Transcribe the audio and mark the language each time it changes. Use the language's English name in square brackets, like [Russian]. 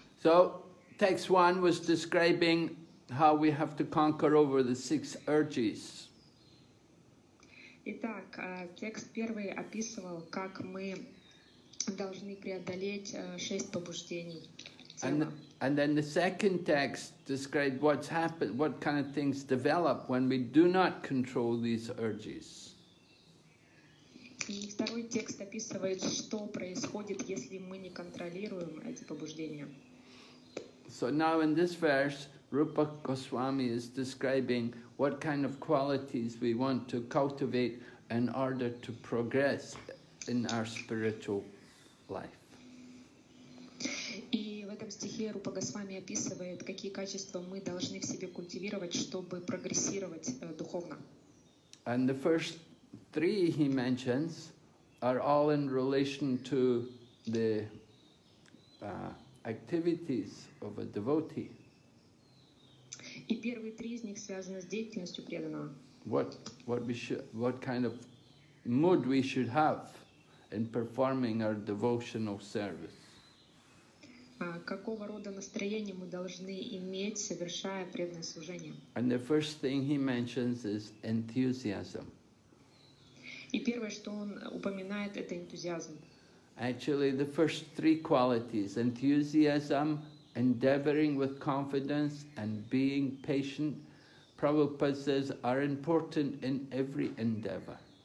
[English] So, text 1 was describing how we have to conquer over the 6 urges. [Russian] Итак, текст первый описывал, как мы должны преодолеть 6 побуждений. [English] And then the second text described what's happened, what kind of things develop when we do not control these urges. [Russian] И второй текст описывает, что происходит, если мы не контролируем эти побуждения. [English] So now in this verse, Rupa Goswami is describing what kind of qualities we want to cultivate in order to progress in our spiritual life. [Russian] И в этом стихе Рупа Госвами описывает, какие качества мы должны в себе культивировать, чтобы прогрессировать духовно. [English] And the first 3 he mentions are all in relation to the activities of a devotee. [Russian] И первые три из них связаны с деятельностью преданного. [English] What kind of mood we should have in performing our devotional service? [Russian] Какого рода настроение мы должны иметь, совершая преданное служение? [English] And the first thing he mentions is enthusiasm. [Russian] И первое, что он упоминает, это энтузиазм. [English] Actually, the first three qualities, enthusiasm, endeavoring with confidence, and being patient, Prabhupada says, are important in every endeavor.